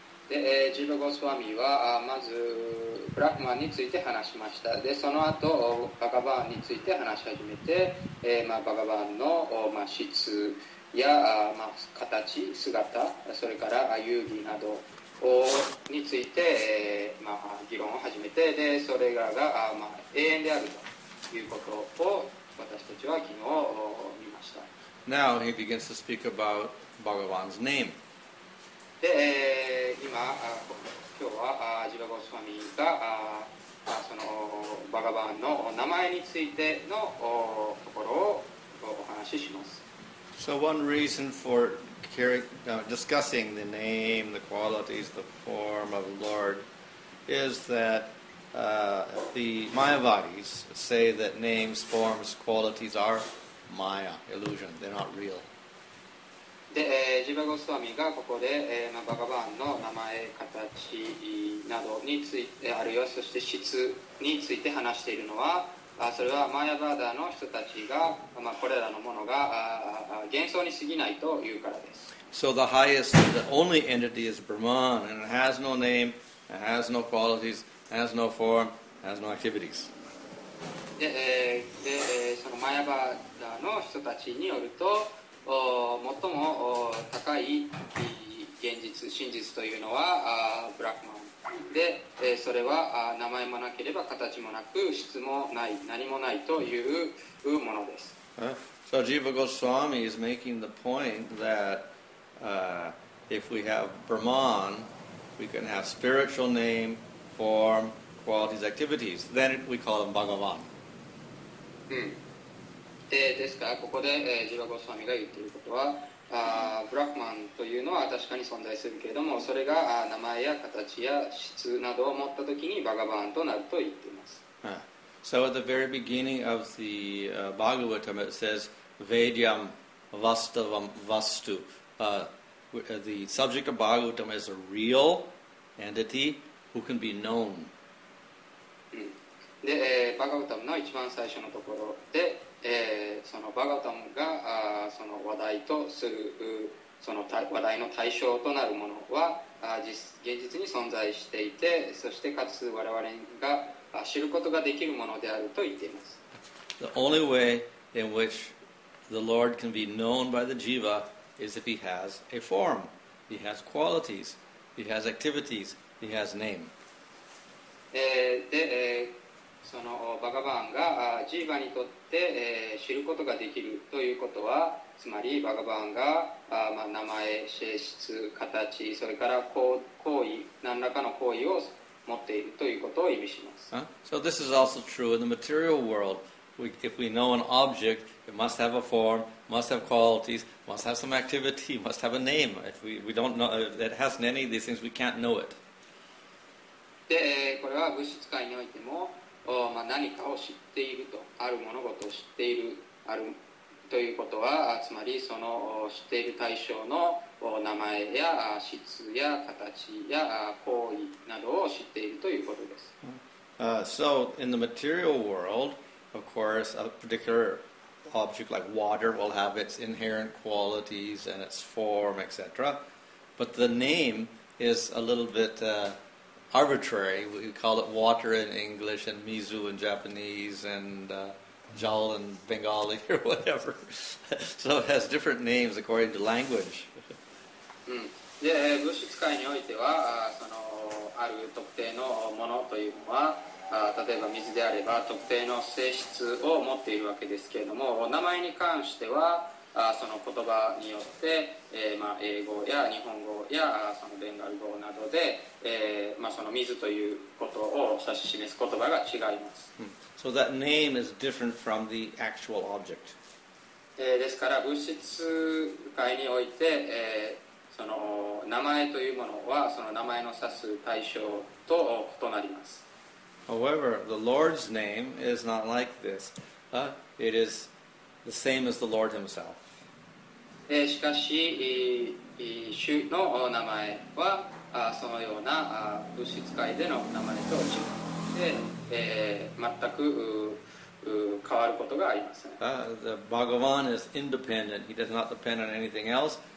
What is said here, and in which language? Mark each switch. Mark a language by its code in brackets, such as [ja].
[en] Jiva Goswami was first talking about Brahman, and then he began to talk about Bhagavan's form, [ja] 形、それから遊戯などについて、議論を始めて、でそれらが、永遠であるということを私たちは昨日見ました。 [en] Now he begins to speak about Bhagavan's name. [ja] で、今、今日はジバゴスワミがそのバガバンの名前についてのところをお話しします。 [en] So one reason for discussing the name, the qualities, the form of the Lord is that the Mayavadis say that names, forms, qualities are Maya, illusion, they're not real. [ja] で、ジバゴスワミがここで、バガバンの名前、形などについて、あるいはそして質について話しているのは、それはマヤバーダの人たちが、これらのものが幻想に過ぎないというからです。 [en] So the highest, the only entity is Brahman, and it has no name, it has no qualities, it has no form, it has no activities. [ja] で、そのマヤバーダの人たちによると、最も高い現実、真実というのはブラックマン。で、それは名前もなければ形もなく質もない何もないというものです。 [en] So Jiva Goswami is making the point that if we have Brahman, we can have spiritual name, form, qualities, activities. Then we call him Bhagavan. [ja] ですからここで、Jiva Goswami が言っていることは、ブラックマンというのは確かに存在するけれども、それが名前や形や質などを持ったときにバガバンとなると言っています。 [en] So at the very beginning of the Bhagavatam, it says [sa] Vedyam Vastavam Vastu. [en] the subject of Bhagavatam as a real entity who can be known. [ja] で、バガウタムの一番最初のところで、そのバガウタムがその話題とするその話題の対象となるものは現実に存在していて、そしてかつ我々が知ることができるものであると言っています。 [en] The only way in which the Lord can be known by the Jiva is if he has a form, he has qualities, he has activities, he has name. [ja] で、そのバガバーンがジーバにとって、知ることができるということは、つまりバガバーンが、まあ、名前、性質、形、それから行為、何らかの行為を持っているということを意味します。 [en] Huh? So this is also true in the material world. If we know an object, it must have a form, must have qualities, must have some activity, must have a name. If we don't know, if it hasn't any of these things, we can't know it. [ja] で、これは物質界においてもまあ、何かを知っていると、ある物事を知っている、あるということは、つまりその知っている対象の名前や質や形や行為などを知っているということです。 [en] So, in the material world, of course, a particular object like water will have its inherent qualities and its form, etc. But the name is a little bit... arbitrary. We call it water in English and mizu in Japanese and jal in Bengali or whatever. So it has different names according to language. [ja] で、物質界においては、そのある特定のものというのは、例えば水であれば特定の性質を持っているわけですけれども、名前に関しては、その言葉によって、まあ英語や日本語やそのベンガル語などで、まあその水ということを指し示す言葉が違います。 [en] So that name is different from the actual object. [ja] ですから物質界において、その名前というものはその名前の指す対象と異なります。 [en] However, the Lord's name is not like this. It is the same as the Lord himself. [ja] しかし、主の名前はそのような物質界での名前と違って、全く変わることがありません。 [en] The Bhagavan is independent. He does not depend on anything else.